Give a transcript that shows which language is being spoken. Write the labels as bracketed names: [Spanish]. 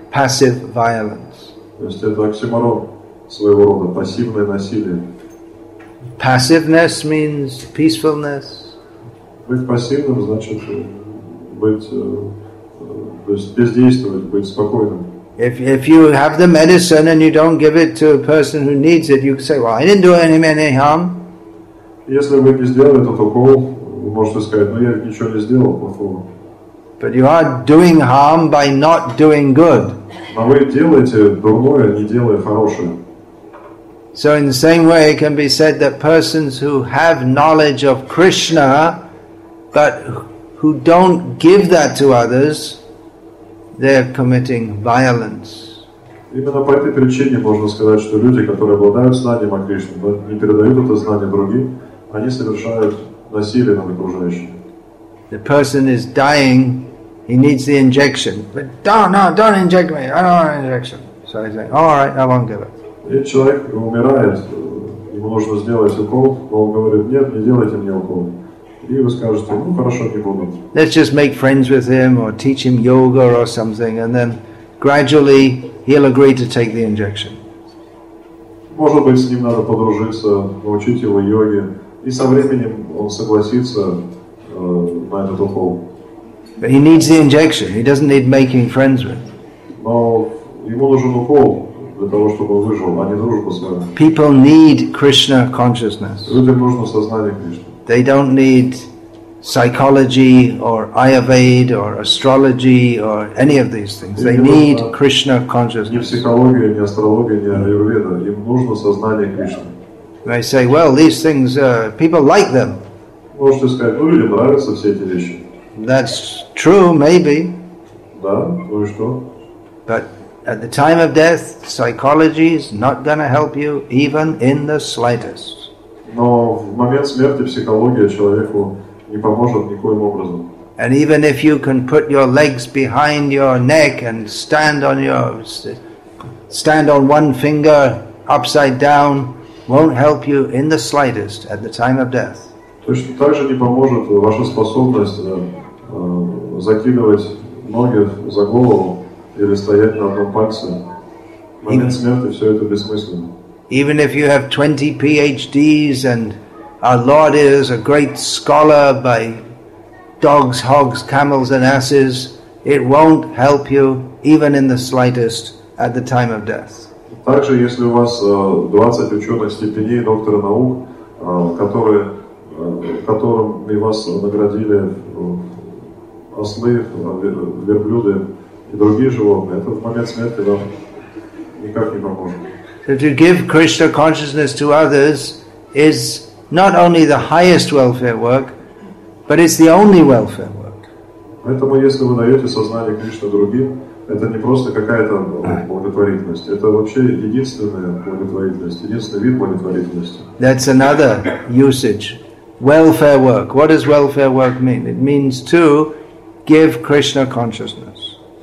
[English] Passive violence. [Russian] То есть это оксиморон своего рода, пассивное насилие. [English] Passiveness means peacefulness. [Russian] Быть пассивным значит быть... То есть бездействовать, быть спокойным. [English] If you have the medicine and you don't give it to a person who needs it, you say, well, I didn't do him any harm. [Russian] Если вы не сделали этот укол, вы можете сказать, ну я ничего не сделал плохого. [English] But you are doing harm by not doing good. [Russian] Но вы делаете дурное, не делая хорошее. [English] So in the same way, it can be said that persons who have knowledge of Krishna, but who don't give that to others, they are committing violence. [Russian] Именно по этой причине можно сказать, что люди, которые обладают знанием о Кришне, но не передают это знание другим, они совершают насилие над окружающими. [English] The person is dying, he needs the injection. But don't inject me, I don't want an injection. So he's saying, all right, I won't give it. [Russian] И человек умирает, ему нужно сделать укол, но он говорит, нет, не делайте мне укол. И вы скажете, ну хорошо, не буду. [English] Let's just make friends with him or teach him yoga or something, and then gradually he'll agree to take the injection. [Russian] Может быть, с ним надо подружиться, научить его йоге, и со временем он согласится на этот укол. [English] But he needs the injection. He doesn't need making friends with. [Russian] Но ему нужен укол для того, чтобы он выжил, а не дружба с вами. [English] People need Krishna consciousness. [Russian] Людям нужно сознание Кришны. [English] They don't need psychology or Ayurveda or astrology or any of these things. They need Krishna consciousness. [Russian] Ни психология, ни астрология, ни аюрведа. Им нужно сознание Кришны. [English] They say, well, these things, people like them. [Russian] Можете сказать, ну, людям нравятся все эти вещи. [English] That's true, maybe. [Russian] Да, ну и что? [English] But at the time of death, psychology is not going to help you even in the slightest. [Russian] Но в момент смерти психология человеку не поможет никоим образом. [English] And even if you can put your legs behind your neck and stand on one finger upside down, won't help you in the slightest at the time of death. [Russian] Точно так же не поможет ваша способность закидывать ноги за голову или стоять на одном пальце. В момент смерти все это бессмысленно. [English] Even if you have 20 PhDs and our Lord is a great scholar by dogs, hogs, camels and asses, it won't help you even in the slightest at the time of death. [Russian] Также, если у вас 20 ученых степеней, доктора наук, которыми вас наградили ослы, верблюды и другие животные, это в момент смерти вам никак не поможет. [English] So to give Krishna consciousness to others is not only the highest welfare work, but it's the only welfare work. [Russian] Поэтому, если вы даете сознание Кришны другим, это не просто какая-то благотворительность, это вообще единственная благотворительность, единственный вид благотворительности. [English] That's another usage. Welfare work. What does welfare work mean? It means to give Krishna consciousness.